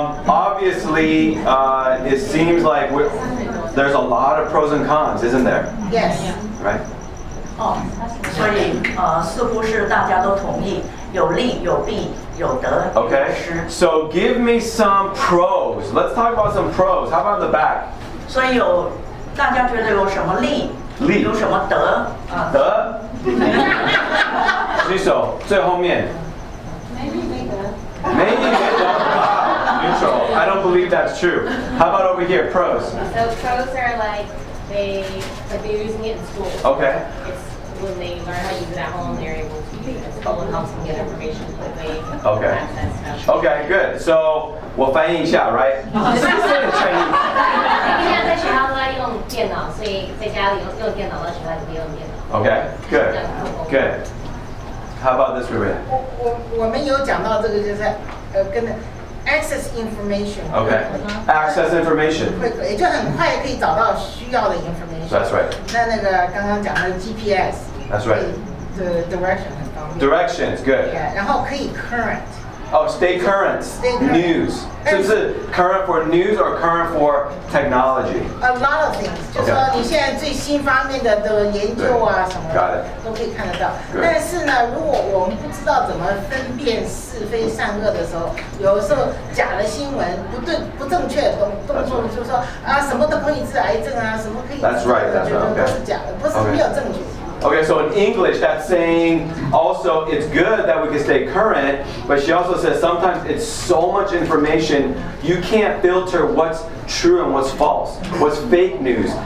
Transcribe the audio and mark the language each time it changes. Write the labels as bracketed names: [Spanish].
[English] It seems like there's a lot of pros and cons, isn't there? Yes. Right? [Chinese] So, 似乎是大家都同意，有利有弊，有得有失。 [English] Okay. So, give me some pros. Let's talk about some pros. How about the back? [Chinese] 所以有大家觉得有什么利？利有什么得？得。举手，最后面。没利没得。没利没得。 [English] I don't believe that's true. How about over here, pros? So pros are they're using it in school. Okay. It's when they learn how to use it at home, they're able to use it in school and helps them get information quickly. Okay. Access stuff. Okay, good. So, [Chinese] 我翻译一下 [English] right? [Chinese] 因为在学校都在用电脑，所以在家里用电脑的时候还是不用电脑。 [English] Okay, good, good. How about this, Ruby? [Chinese] 我们有讲到这个就是跟着 [English] Access information. Okay. Access information. [Chinese] Quickly, 就很快可以找到需要的 information. [English] That's right. [Chinese] 那个刚刚讲的 GPS. [English] That's right. The direction [Chinese] 很方便。 [English] Directions good. [Chinese] Yeah. 然后可以 current. [English] Oh, stay current. Stay current. News. So is it current for news or current for technology? A lot of things. [Chinese] 就是说你现在最新方面的这个研究啊什么的 [English] Got it. [Chinese] 都可以看得到。 [English] Good. [Chinese] 但是呢如果我们不知道怎么分辨是非善恶的时候有时候假的新闻不对不正确的动作就是说啊什么都可以治癌症啊什么可以 [English] That's right, that's right. [Chinese] 都是假的、 [English] okay. [Chinese] 不是没有证据。 [English] Okay, so in English, that's saying also it's good that we can stay current, but she also says sometimes it's so much information, you can't filter what's true and what's false, what's fake news.